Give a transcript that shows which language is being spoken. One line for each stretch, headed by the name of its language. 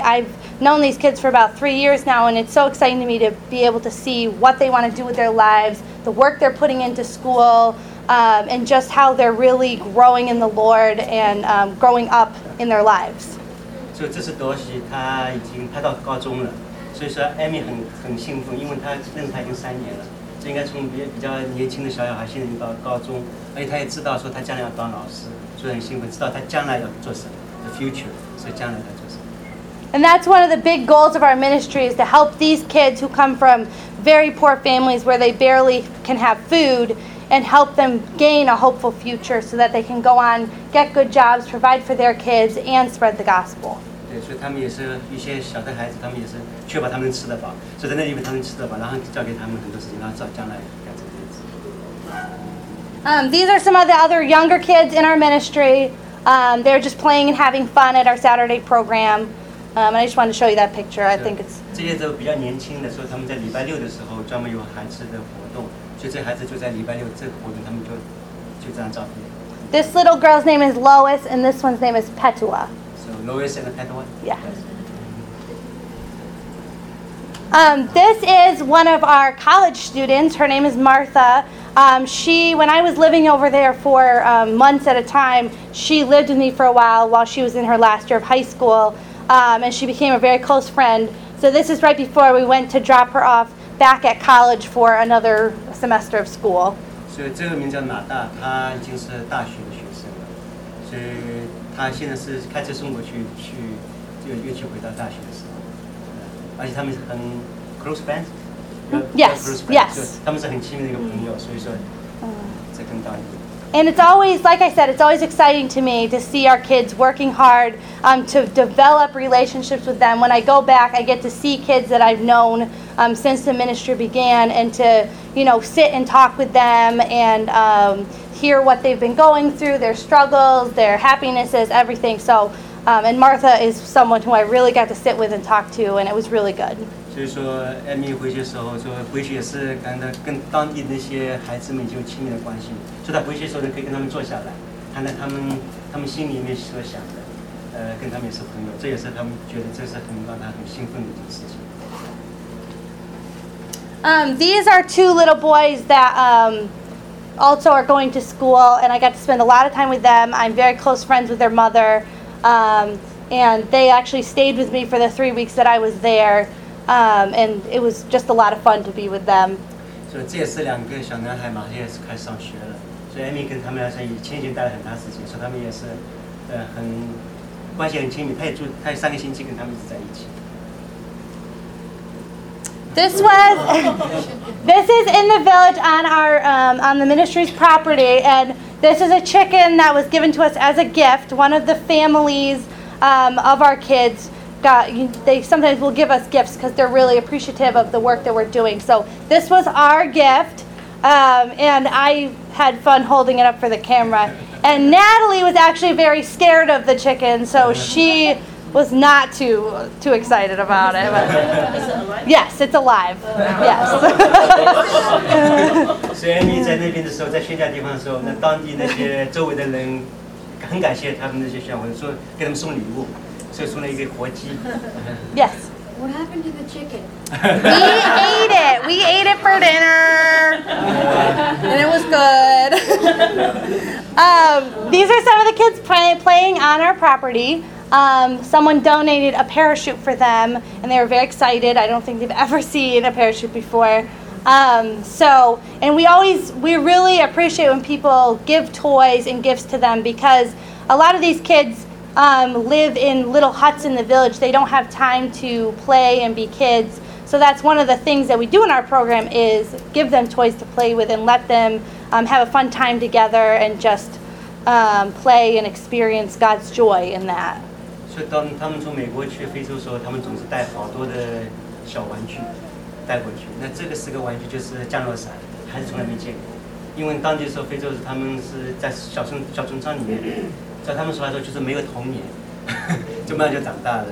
English: I've known these kids for about 3 years now, and it's so exciting to me to be able to see what they want to do with their lives, the work they're putting into school, and just how they're really growing in the Lord and growing up in their lives. So this is Dorothy. She's already at high school. So Amy is very excited because she's been with her for 3 years.
Chinese: 就应该从比较年轻的小小孩，现在已经到高中，而且他也知道说他将来要当老师，所以很兴奋，知道他将来要做什么 ，
English: the future，
Chinese: 所以将来要做什么。
English: And that's one of the big goals of our ministry is to help these kids who come from very poor families where they barely can have food, and help them gain a hopeful future so that they can go on, get good jobs, provide for their kids, and spread the gospel.
Chinese: 对，所以他们也是一些小的孩子，他们也是。确保他们能吃得饱，所以在那里面他们吃得饱，然后交给他们很多事情，然后找将来干这个样子。
English: These are some of the other younger kids in our ministry. They're just playing and having fun at our Saturday program. And I just wanted to show you that picture. I think it's
Chinese: 这些都比较年轻的，所以他们在礼拜六的时候专门有孩子的活动，所以这孩子就在礼拜六这个活动，他们就这张照片。
English: This little girl's name is Lois, and this one's name is Petua. So Lois and Petua. Yeah. This is one of our college students. Her name is Martha. She, when I was living over there for months at a time, she lived with me for a while she was in her last year of high school, and she became a very close friend. So this is right before we went to drop her off back at college for another semester of school. So this name is Martha. She is a student at college. So she is driving us to go back to college.
Chinese: 而且他们是很
English: close friends， yes，
Chinese: 他们是很亲密的一个朋友，所以说这更大一点。
English: And it's always, like I said, it's always exciting to me to see our kids working hard, to develop relationships with them. When I go back, I get to see kids that I've known, since the ministry began, and to, you know, sit and talk with them and, hear what they've been going through, their struggles, their happinesses, everything. So. And Martha is someone who I really got to sit with and talk to, and it was really good. So, so
Chinese: Amy 回去的时候，说回去也是感到跟当地那些孩子们就有亲密的关系。所以她回去的时候呢，可以跟他们坐下来，谈谈他们心里面所想的，跟他们也是朋友。这也是他们觉得这是很让他很兴奋的一件事情。
English: These are two little boys that also are going to school, and I got to spend a lot of time with them. I'm very close friends with their mother. And they actually stayed with me for the 3 weeks that I was there, and it was just a lot of fun to be with them.
Chinese: 所以这也是两个小男孩嘛，现在是开始上学了。所以艾米跟他们俩说也亲情待了很大时间，所以他们也是，很关系很亲密。他也三个星期跟他们一直在一起。
English: This was, this is in the village on our, on the ministry's property, and this is a chicken that was given to us as a gift. One of the families, of our kids got, they sometimes will give us gifts because they're really appreciative of the work that we're doing. So this was our gift, and I had fun holding it up for the camera. And Natalie was actually very scared of the chicken, so she... was not too excited about it. But, yes, it's alive. Yes.
Chinese: So Amy 在那边的时候，在宣教地方的时候，那当地那些周围的人很感谢他们那些小朋友，说给他们送礼物，所以送了一个活鸡。
English: Yes. What happened to the chicken? We ate it. We ate it for dinner, and it was good. These are some of the kids playing on our property. Someone donated a parachute for them, and they were very excited. I don't think they've ever seen a parachute before. We really appreciate when people give toys and gifts to them, because a lot of these kids live in little huts in the village. They don't have time to play and be kids. So that's one of the things that we do in our program is give them toys to play with and let them have a fun time together and just play and experience God's joy in that.
Chinese: 所以当他们从美国去非洲的时候，他们总是带好多的小玩具带回去。那这个是个玩具，就是降落伞，还是从来没见过。因为当地的时候，非洲是他们是在小村庄里面，在他们说来说就是没有童年，就慢慢就长大了。